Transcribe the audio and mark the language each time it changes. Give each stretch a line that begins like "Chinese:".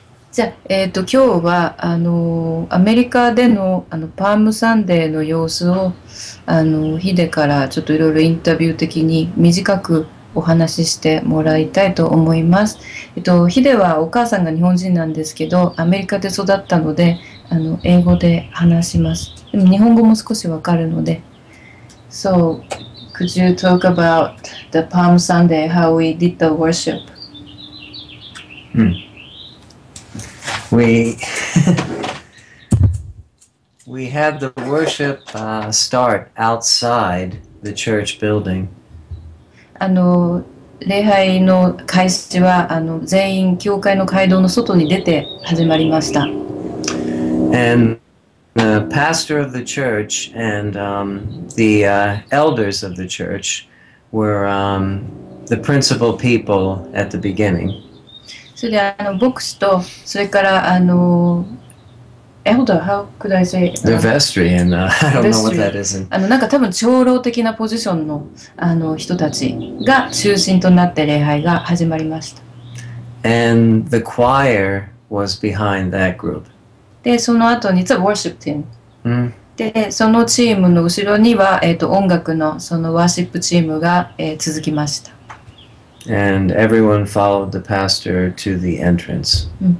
Japanese: じゃあ、今日は、あの、アメリカでの、あの、パームサンデーの様子を、あの、ヒデからちょっといろいろインタビュー的に短くお話ししてもらいたいと思います。ヒデはお母さんが日本人なんですけど、アメリカで育ったので、あの、英語で話します。でも日本語も少しわかるので。
English: So, could you talk about the Palm Sunday, how we did the worship? We had the worship start outside the church building.
Japanese: あの、礼拝の開始は、あの、全員教会の会堂の外に出て始まりました。
English: And the pastor of the church and the elders of the church were the principal people at the beginning.
Japanese: それで、あの、牧師と、それから、あの、
English: Elder, how could I say? The vestry, and I don't know what that is.
Japanese: あの、なんか多分長老的なポジションの、あの、人たちが中心となって礼拝が始まりました。
English: And the choir was behind that group.
Japanese: で、その後に、
English: the worship team.、 Mm.
Japanese: で、そのチームの後ろには、音楽のそのワーシップチームが、続きました。
English: And everyone followed the pastor to the entrance.